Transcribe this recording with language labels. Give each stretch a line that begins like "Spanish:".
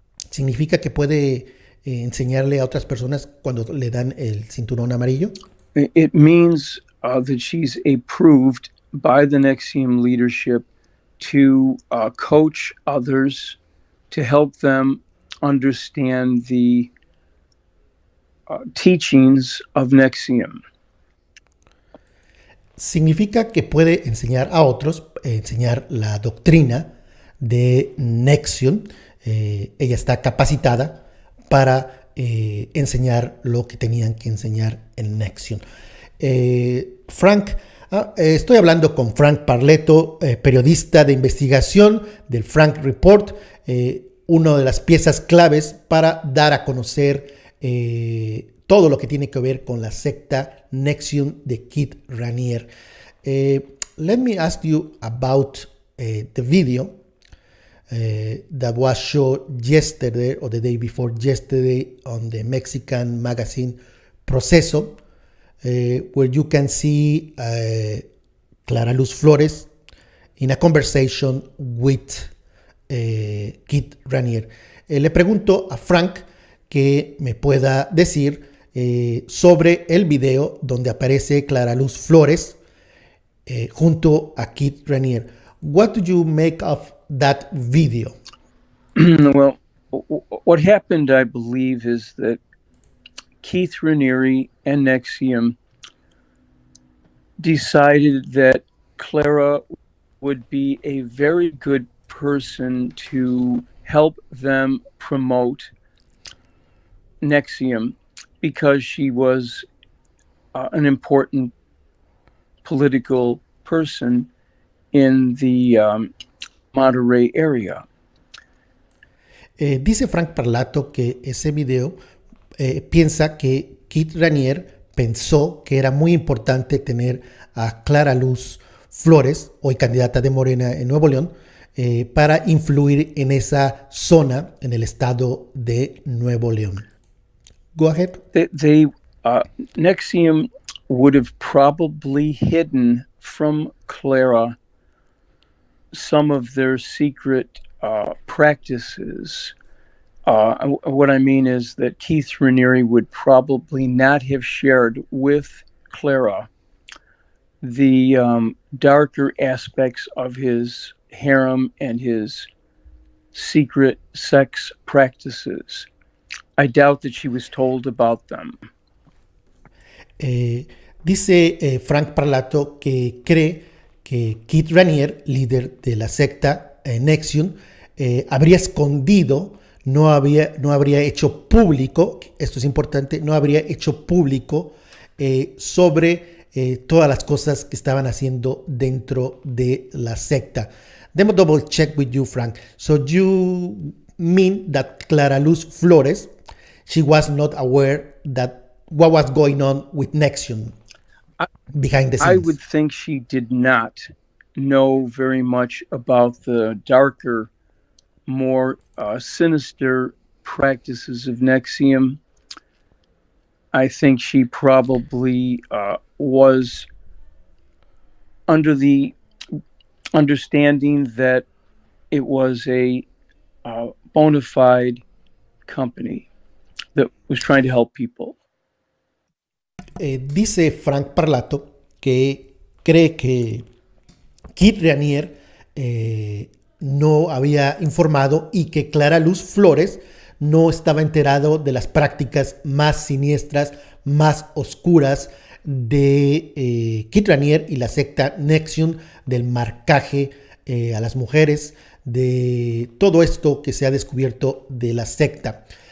Spanish: ¿Significa que puede enseñarle a otras personas cuando le dan el cinturón amarillo?
English: It means that she's approved by the Nexium leadership to coach others to help them understand the teachings of Nexium.
Spanish: Significa que puede enseñar a otros, enseñar la doctrina de Nexium. Ella está capacitada para enseñar lo que tenían que enseñar en Nexium. Frank, estoy hablando con Frank Parletto, periodista de investigación del Frank Report, una de las piezas claves para dar a conocer todo lo que tiene que ver con la secta Nexium de Kid Ranier.
English: Let me ask you about the video. that was shown yesterday or the day before yesterday on the Mexican magazine Proceso, where you can see Clara Luz Flores in a conversation with Kit Ranier.
Spanish: Le pregunto a Frank que me pueda decir sobre el video donde aparece Clara Luz Flores junto a Kit Ranier.
English: What do you make of that video? Well, what happened, I believe, is that Keith Raniere and NXIVM decided that Clara would be a very good person to help them promote NXIVM because she was an important political person in the Monterey area.
Spanish: Dice Frank Parlato que ese video piensa que Kit Ranier pensó que era muy importante tener a Clara Luz Flores, hoy candidata de Morena en Nuevo León, para influir en esa zona, en el estado de Nuevo León.
English: Go ahead. NXIVM would have probably hidden from Clara some of their secret practices. What I mean is that Keith Raniere would probably not have shared with Clara the darker aspects of his harem and his secret sex practices. I doubt that she was told about them.
Spanish: Dice Frank Parlato que cree que Kit Ranier, líder de la secta NXIVM, habría escondido, no habría hecho público, esto es importante, no habría hecho público sobre todas las cosas que estaban haciendo dentro de la secta.
English: Demos double check with you, Frank. So you mean that Clara Luz Flores, she was not aware that what was going on with Nexium behind the I would scenes? think she did not know very much about the darker, more sinister practices of NXIVM. I think she probably was under the understanding that it was a bona fide company that was trying to help people.
Spanish: Dice Frank Parlato que cree que Kit Ranier no había informado y que Clara Luz Flores no estaba enterado de las prácticas más siniestras, más oscuras de Kit Ranier y la secta NXIVM, del marcaje a las mujeres, de todo esto que se ha descubierto de la secta.